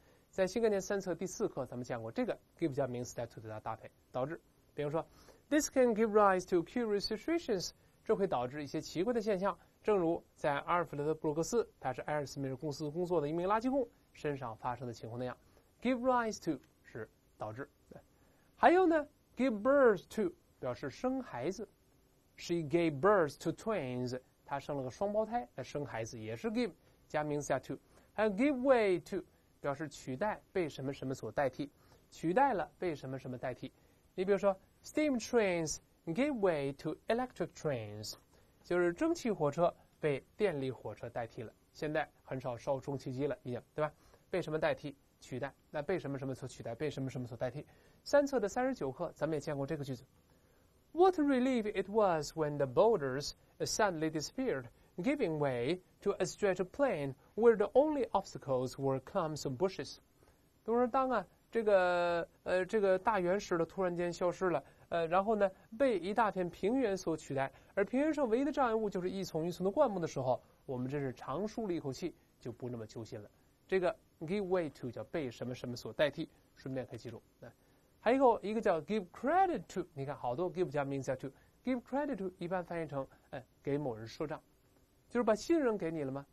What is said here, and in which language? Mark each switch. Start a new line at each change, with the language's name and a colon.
Chinese: 在新概念三册第四课咱们讲过这个 give 加名词加 to 的搭配导致，比如说 this can give rise to curious situations，这会导致一些奇怪的现象，正如在阿尔弗雷德布鲁克斯，他是埃尔斯米尔公司工作的一名垃圾工身上发生的情况那样。 give rise to 是导致。还有呢 give birth to 表示生孩子， She gave birth to twins，她生了个双胞胎来生孩子，也是 give 加名词加 to。还有 give way to 表示取代，被什么什么所代替，取代了被什么什么代替。你比如说 steam trains give way to electric trains，就是蒸汽火车被电力火车代替了，现在很少烧蒸汽机了，对吧？被什么代替，取代，那被什么什么所取代，被什么什么所代替。
English: 三册的39课咱们也见过这个句子， What relief it was when the boulders suddenly disappeared, giving way to a stretch of plain where the only obstacles were clumps of bushes。都说当啊这个大原石的突然间消失了，
Chinese: 然后呢被一大片平原所取代，而平原上唯一的障碍物就是一丛一丛的灌木的时候，我们真是长舒了一口气，就不那么揪心了。这个 give way to 叫被什么什么所代替，顺便可以记住。还有一个叫 give credit to， 你看好多 give 加名词加 to， give credit to 一般翻译成给某人说账，就是把信任给你了吗？